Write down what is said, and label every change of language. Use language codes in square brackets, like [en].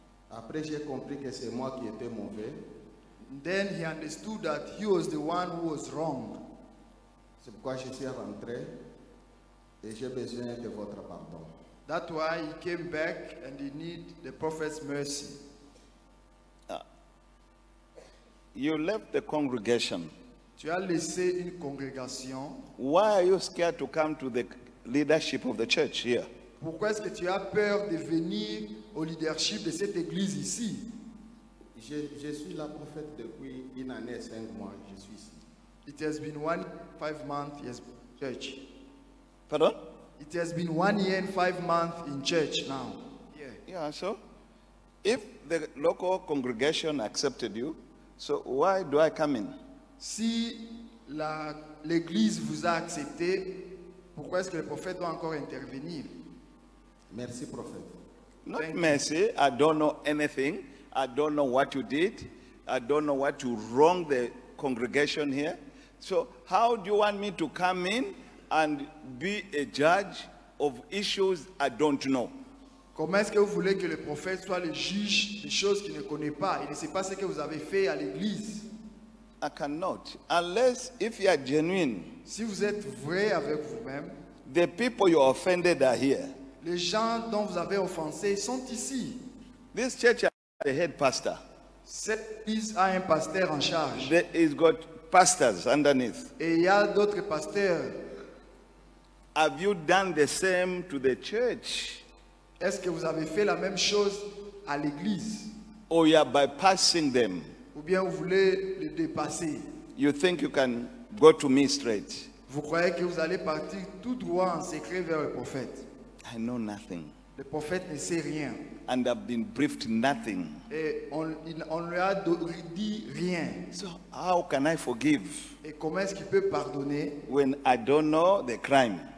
[fr] Après, j'ai compris que c'est moi qui étais mauvais. [en] Then he understood that he was the one who was wrong. [fr] C'est pourquoi je suis rentré et j'ai besoin de votre pardon. [en] That's why he came back and he needs the prophet's mercy. You left the congregation. [fr] Tu as laissé une congrégation. [en] Why are you scared to come to the leadership of the church here? [fr] Pourquoi est-ce que tu as peur de venir au leadership de cette église ici? Je suis la prophète depuis une année, 5 mois, je suis ici. [en] It has been 1 year, 5 months, yes, church. [fr] Pardon? [en] It has been 1 year and 5 months in church now. Yeah. Yeah, so if the local congregation accepted you, so why do I come in? [fr] Si l'église vous a accepté, pourquoi est-ce que le prophète doit encore intervenir? Merci, prophète. [en] Not thank merci. You. I don't know anything. I don't know what you did. I don't know what you wrong the congregation here. So how do you want me to come in and be a judge of issues I don't know? [fr] Comment est-ce que vous voulez que le prophète soit le juge des choses qu'il ne connaît pas? Il ne sait pas ce que vous avez fait à l'église. [en] I cannot, unless if you are genuine. [fr] Si vous êtes vrai avec vous-même, [en] the people you offended are here. [fr] Les gens dont vous avez offensé sont ici. [en] This church has a head pastor. [fr] Cette église a un pasteur en charge. [en] There is got pastors underneath. [fr] Et il y a d'autres pasteurs. [en] Have you done the same to the church? [fr] Est-ce que vous avez fait la même chose à l'église? [en] Or you are bypassing them? [fr] Ou bien vous voulez le dépasser. [en] You think you can go to me straight? [fr] Vous croyez que vous allez partir tout droit en secret vers le prophète? [en] I know nothing. [fr] Le prophète ne sait rien. [en] And I've been briefed nothing. [fr] Et on lui a dit rien. [en] So how can I forgive? [fr] Et comment est-ce qu'il peut pardonner? [en] When I don't know the crime.